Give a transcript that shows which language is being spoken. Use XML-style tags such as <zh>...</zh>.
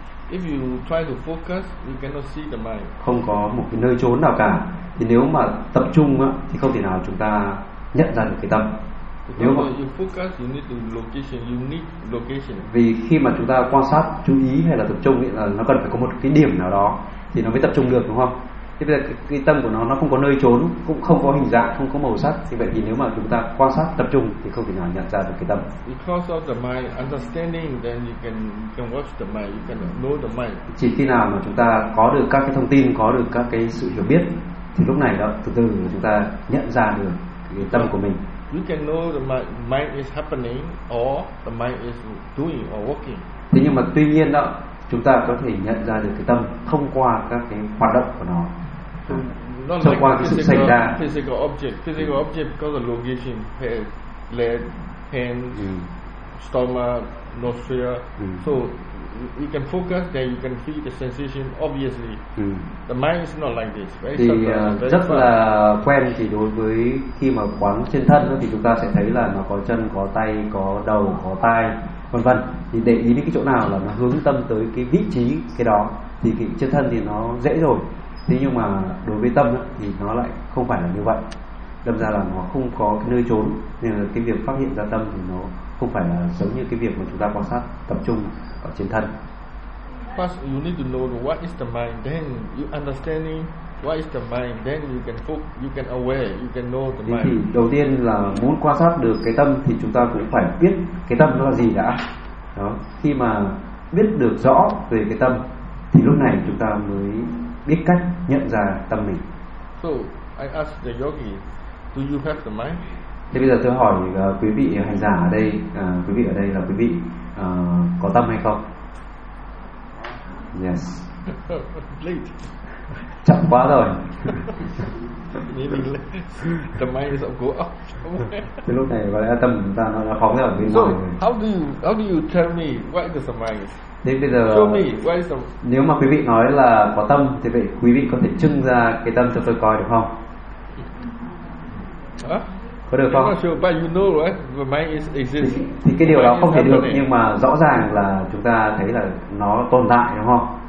<en>If you try to focus, you cannot see the mind.</en> <vi>Không có một cái nơi chốn nào cả. Thì nếu mà tập trung á, thì không thể nào chúng ta nhận ra được cái tâm. Nếu mà</vi> <en>you focus, you need location. You need location.</en> <vi>Vì khi mà chúng ta quan sát, chú ý hay là tập trung, là nó cần phải có một cái điểm nào đó thì nó mới tập trung được đúng không? Thế bây giờ cái tâm của nó không có nơi trốn, cũng không có hình dạng, không có màu sắc. Thì vậy thì nếu mà chúng ta quan sát tập trung thì không thể nào nhận ra được cái tâm.</vi> <en>Because of the mind understanding, then you can watch the mind, you can know the mind.</en> <vi>Chỉ khi nào mà chúng ta có được các cái thông tin, có được các cái sự hiểu biết, thì lúc này đó từ từ chúng ta nhận ra được cái tâm của mình.</vi> <en>You can know the mind is happening or the mind is doing or working.</en> <vi>Thế nhưng mà tuy nhiên đó, chúng ta có thể nhận ra được cái tâm thông qua các cái hoạt động của nó,</vi> <en>not</en> <vi>thông qua</vi> <en>like</en> <vi>cái sự xảy ra.</vi> <en>Physical object</en> <vi>có cái</vi> <en>location, head, leg, hands, stomach, nostril. So you can focus, then you can feel the sensation. Obviously, the mind is not like this. Very</en> <vi>thì rất là quen thì đối với khi mà quán trên thân đó, thì chúng ta sẽ thấy là nó có chân, có tay, có đầu, có tai, vân vân. Thì để ý đến cái chỗ nào là nó hướng tâm tới cái vị trí cái đó thì cái chân thân thì nó dễ rồi. Thế nhưng mà đối với tâm ấy, thì nó lại không phải là như vậy. Đâm ra là nó không có cái nơi trốn, nên là cái việc phát hiện ra tâm thì nó không phải là giống như cái việc mà chúng ta quan sát tập trung ở trên thân.</vi> <en>First you need to know what is the mind, then you understanding what is the mind, then you can focus, you can aware, you can know the mind.</en> <vi>Thì đầu tiên là muốn quan sát được cái tâm thì chúng ta cũng phải biết cái tâm nó là gì đã. Đó, khi mà biết được rõ về cái tâm thì lúc này chúng ta mới biết cách nhận ra tâm mình.</vi> <en>So I ask the yogi, do you have the mind?</en> <vi>Thế bây giờ tôi hỏi quý vị hành giả ở đây, quý vị ở đây là quý vị có tâm hay không?</vi> <en>Yes. Late.</en> <vi>Chậm quá rồi.</vi> <en>The mind is go up.</en> <vi>Thế lúc này có lẽ tâm chúng ta nó phóng ra ở bên ngoài.</vi> <en>How do you tell me what is the mind?</en> <vi>Thế bây giờ</vi> <en>show me what is the...</en> <vi>Nếu mà quý vị nói là có tâm thì vậy quý vị có thể trưng ra cái tâm cho tôi coi được không? Có được không?</vi> <en>Sure, but you know, right? The mind is exist.</en> <vi>Thì cái điều đó không thể được, nhưng mà rõ ràng là chúng ta thấy là nó tồn tại đúng không?</vi>